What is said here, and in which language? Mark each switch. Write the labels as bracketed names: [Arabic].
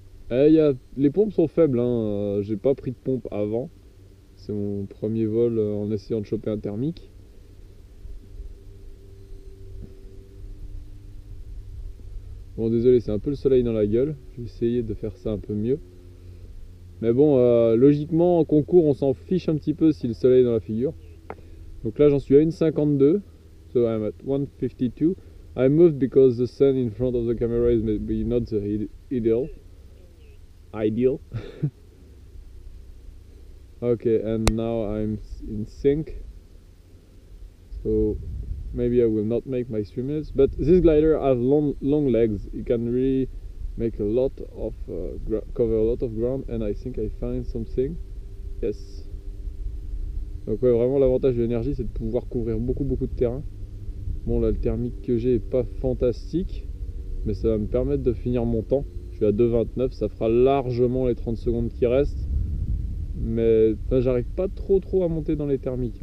[French] Et les pompes sont faibles, hein. J'ai pas pris de pompe avant, c'est mon premier vol en essayant de choper un thermique. Bon désolé, c'est un peu le soleil dans la gueule, je vais essayer de faire ça un peu mieux. Mais bon, logiquement en concours on s'en fiche un petit peu si le soleil est dans la figure. Donc là j'en suis à 1,52. [English] So I'm at 1,52. I moved because the sun in front of the camera is maybe not the ideal. Ok, and now I'm in sync. So maybe I will not make my 3 minutes, but this glider has long legs. It can really make a lot of cover a lot of ground, and I think I find something. Yes. [French] Donc ouais, vraiment l'avantage de l'énergie, c'est de pouvoir couvrir beaucoup beaucoup de terrain. Bon, là, le thermique que j'ai est pas fantastique, mais ça va me permettre de finir mon temps. Je suis à 2,29, ça fera largement les 30 secondes qui restent. Mais enfin, j'arrive pas trop à monter dans les thermiques.